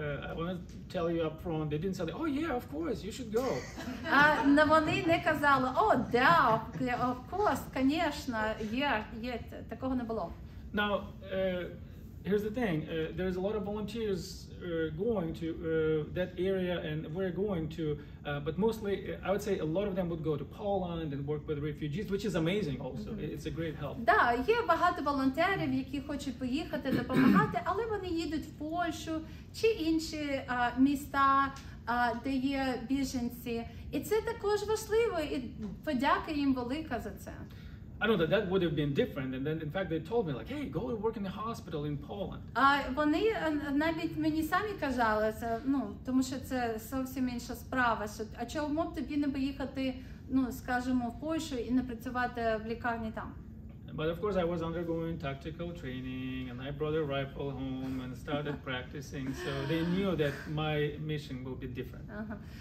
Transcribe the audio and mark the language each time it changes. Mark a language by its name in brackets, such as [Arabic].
[English] I want to tell you up front, they didn't say, oh yeah, of course, you should go. [Ukrainian] Вони не казали, о, да, [English] of course, [Ukrainian] звісно, є, такого не було. [English] Now, here's the thing, there's a lot of volunteers going to that area and we're going to, but mostly, I would say a lot of them would go to Poland and work with refugees, which is amazing also, mm-hmm. It's a great help. [Ukrainian] Да, є багато волонтерів, які хочуть поїхати, допомагати, але вони їдуть в Польщу чи інші міста, де є біженці. І це також важливо, і подяка їм велика за це. [English] I know that would have been different, and then in fact they told me, like, hey, go and work in the hospital in Poland. [Ukrainian] Вони навіть мені самі казали, тому що це зовсім інша справа, що, а чому б тобі не поїхати, скажімо, в Польщу і не працювати в лікарні там? [English] But of course I was undergoing tactical training, and I brought a rifle home and started practicing, so they knew that my mission will be different.